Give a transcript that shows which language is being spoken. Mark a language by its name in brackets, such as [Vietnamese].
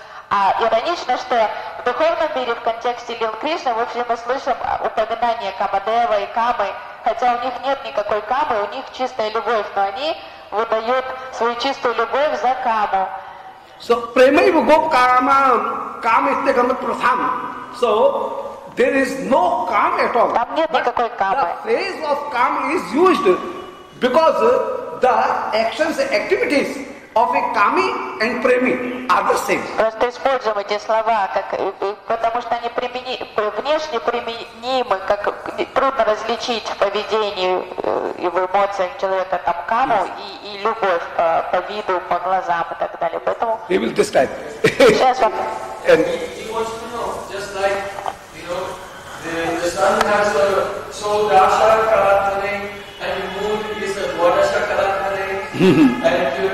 [Russian] А иронично, что в духовном мире, в контексте Лил Кришны, мы все слышим упоминание Камадева и Камы, хотя у них нет никакой Камы, у них чистая любовь, но они выдают свою чистую любовь за Каму. [Sanskrit] So, prema iva go kama, kama ittegama pratham. [English] So, there is no Kama at all. [Russian] Там нет никакой Камы. [English] The phrase of Kama is used because the actions, activities of a kami and premi are the same. [Russian] Просто используем эти слова, как, потому что они внешне применимы, как трудно различить в поведении и в эмоциях человека там каму и любовь по виду, по глазам и так далее. Поэтому. [English] We will describe. [Russian] Сейчас вам. [English] And he wants to know, just like you know, the sun has a so dasha kalatane and the moon is a vodasha kalatane and